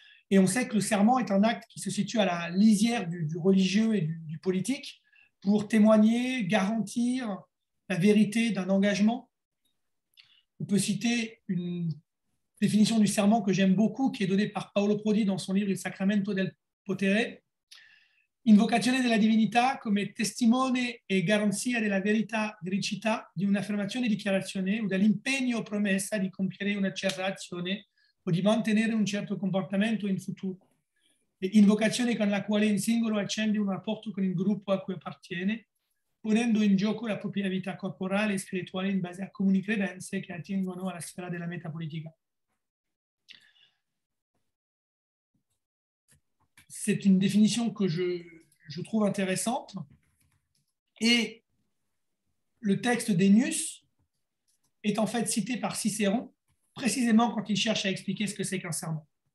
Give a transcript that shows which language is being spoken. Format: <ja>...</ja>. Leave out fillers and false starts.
<fr>Et on sait que le serment est un acte qui se situe à la lisière du religieux et du politique pour témoigner, garantir la vérité d'un engagement. On peut citer une définition du serment que j'aime beaucoup, qui est donnée par Paolo Prodi dans son livre Il Sacramento del Potere.</fr> <it>Invocazione della divinità come testimone e garanzia della verità, vericità di un'affermazione e dichiarazione o dell'impegno o promessa di compiere una certa azione o di mantenere un certo comportamento in futuro. E invocazione con la quale un singolo accende un rapporto con il gruppo a cui appartiene, ponendo in gioco la propria vita corporale e spirituale in base a comuni credenze che attengono alla sfera della metapolitica.</it> <fr>C'est une définition que je trouve intéressante. Et le texte d'Ennius est en fait cité par Cicéron, précisément quand il cherche à expliquer ce que c'est qu'un serment.</fr>